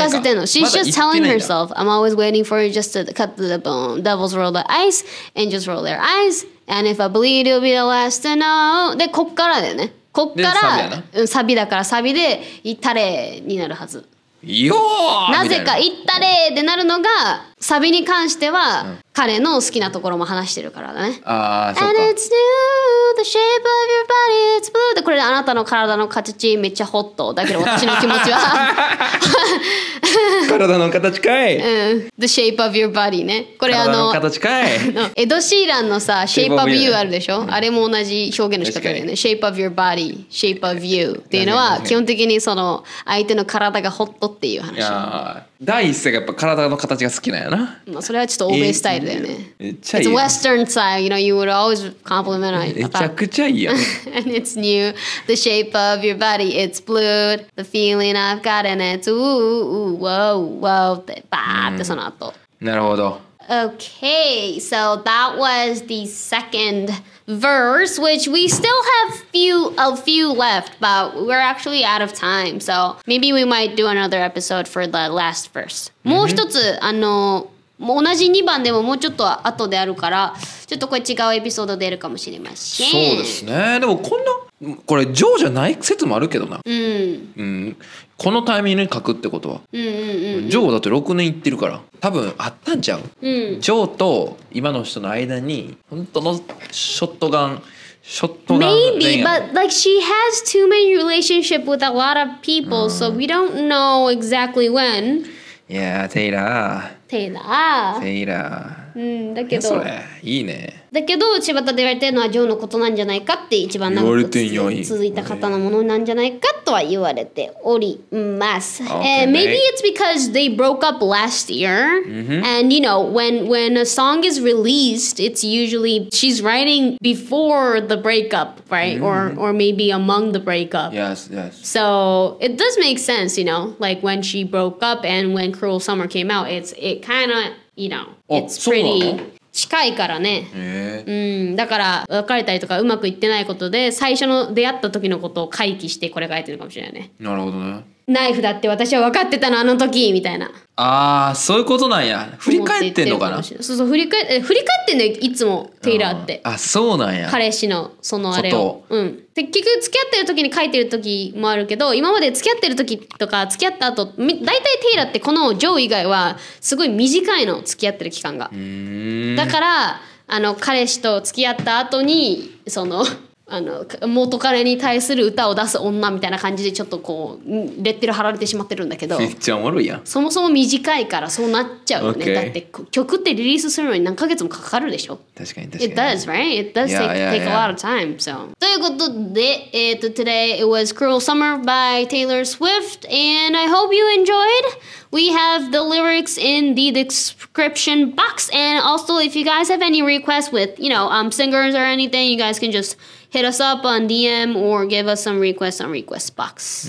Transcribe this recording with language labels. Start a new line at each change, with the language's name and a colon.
Japanese: 言い聞かせてんの、
English: She's just telling herself I'm always waiting for you just to cut the bone Devils roll the ice Angels roll their eyes And if I bleed you'll be the last to know
Japanese: で、こっからだよね、こっからサビやな、うん、サビだからサビでいたれになるはず、よなぜかいったれってなるのがサビに関しては、うん、彼の好きなところも話してるからだね。ああ、そっか。
English: And it's new, the shape of your body, it's blue.
Japanese: で、これであなたの体の形めっちゃホット。だけど私の気持ちは。体の形かい。
English: うん。The shape of your body ね。これ
Japanese: 体の形かい。エド・シーランのさ、shape of you あるでしょ、うん、あれも同じ表現の仕方だよね。
English: shape of your body, shape of you
Japanese: っていうのは、基本的にその相手の体がホットっていう話。いや第一声がやっぱ体の形が好きなんやな、まあ、それはちょっと欧米スタイルだよね、いい
English: It's western style You know, you would always compliment
Japanese: めちゃくちゃいいやん
English: And it's new The shape of your body It's blue The feeling I've got in it Ooh, ooh, whoa, whoa
Japanese: ってバーってその後、なるほど、
English: Okay, so that was the second verse Which we still have a few left, but we're actually out of time. So maybe we might do another episode for the last verse.
Japanese: もう一つ、あの、もう同じ2番でももうちょっと後であるから、ちょっとこれ違うエピソード出るかもしれません。そうですね。でもこんな、これ上じゃない説もあるけどな。うん。うん。このタイミングに書くってことは、うんうんうん、ジョーだと6年いってるから多分あったんちゃう、うん、ジョーと今の人の間に本当のショットガン
English: Maybe, but like she has too many relationship with a lot of people、うん、so we don't know exactly when
Japanese: いやテイラーテイラーテイラーうん、だけどそれいいね。だけど柴田で言われてるのはジョーのことなんじゃないかって一番長く言われてん続いた方のものなんじゃないかとは言われております、okay.
English: Maybe it's because they broke up last year、 mm-hmm. And you know when a song is released it's usually she's writing before the breakup right、mm-hmm. or maybe among the breakup. Yes, yes. So it does make sense, you know, like when she broke up and when Cruel Summer came out, it kind of, you know, it's pretty、
Japanese: ね、近いからね、うん、だから別れたりとかうまくいってないことで最初の出会った時のことを回帰してこれ書いてるかもしれないね。なるほどね。ナイフだって私は分かってたのあの時みたいな。あーそういうことなんや。振り返ってんのかな。そうそう振り返ってんのよいつもテイラーって。あそうなんや。彼氏のそのあれを、うん、結局付き合ってる時に書いてる時もあるけど今まで付き合ってる時とか付き合った後だいたいテイラーってこのジョー以外はすごい短いの付き合ってる期間が。だからあの彼氏と付き合った後にそのあの元彼に対する歌を出す女みたいな感じでちょっとこうレッテル貼られてしまってるんだけど、めっちゃおもろいやん。そもそも短いからそうなっちゃうね、okay. だって曲ってリリースするのに何ヶ月もかかるでしょ。確かに確かに。
English: It does, right? It does take a lot of time, so.
Japanese: ということで
English: Today it was Cruel Summer by Taylor Swift and I hope you enjoyed. We have the lyrics in the description box and also if you guys have any requests with you know singers or anything you guys can justHit us up on DM or give us some requests on request box.